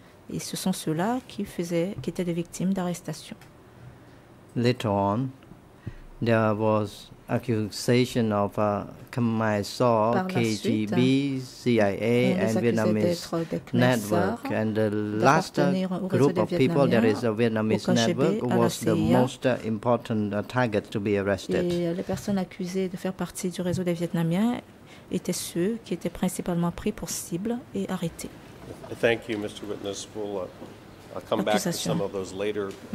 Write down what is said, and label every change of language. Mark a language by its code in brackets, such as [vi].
[fr] Et ce sont ceux-là qui étaient des victimes d'arrestation. [en] Later on, there was accusation of Khmer Saw, KGB, CIA, and Vietnamese network. And the last group of people, there is a Vietnamese network, was the most important target to be arrested. [fr] Et les personnes accusées de faire partie du réseau des Vietnamiens étaient ceux qui étaient principalement pris pour cible et arrêtés. [en] Thank you, Mr. Witness. We'll come back to some of those later